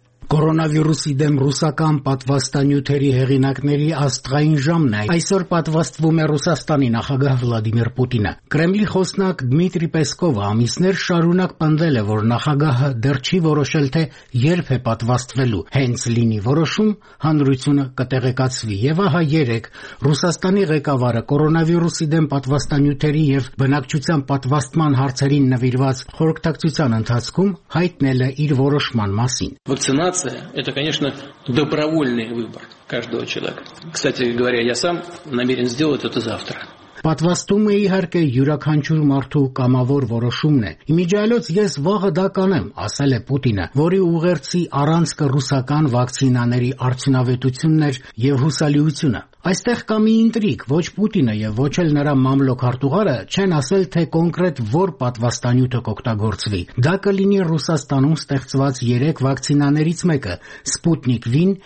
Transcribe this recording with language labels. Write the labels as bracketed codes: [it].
[hy] Կորոնավիրուսի դեմ ռուսական պատվաստանյութերի հեղինակների աստղային ժամն է։ Այսօր պատվաստվում է Ռուսաստանի նախագահ Վլադիմիր Պուտինը։ Կրեմլի խոսնակ Դմիտրի Պեսկովը ամիսներ շարունակ պնդել է, որ նախագահը դեռ չի որոշել, թե երբ է պատվաստվելու։ Հենց լինի որոշում, հանրությունը կտեղեկացվի։ Եվ ահա երեկ Ռուսաստանի ղեկավարը կորոնավիրուսի դեմ պատվաստանյութերի և բնակչության պատվաստման հարցերին նվիրված խորհրդակցության ընթացքում հայտնել է իր որոշման մասին։ [ru] Вакцинация – это, конечно, добровольный выбор каждого человека. Кстати говоря, я сам намерен сделать это завтра. [hy] Պատվաստում է իհարկե յուրաքանչյուր մարդու կամավոր որոշումն է։ Իմիջայլոց ես վաղը դա կանեմ, ասել է Պուտինը, որի ուղերձի առանցքը ռուսական վակցինաների արդյունավետությունն էր եւ հուսալիությունը։ Այստեղ կա մի ինտրիգ, ոչ Պուտինը եւ ոչ էլ նրա մամլոք հարտուղարը չեն ասել, թե կոնկրետ որ պատվաստանյութը կօգտագործվի։ Դա կլինի Ռուսաստանում ստեղծված 3 վակցինաներից մեկը՝ Սպուտնիկ V,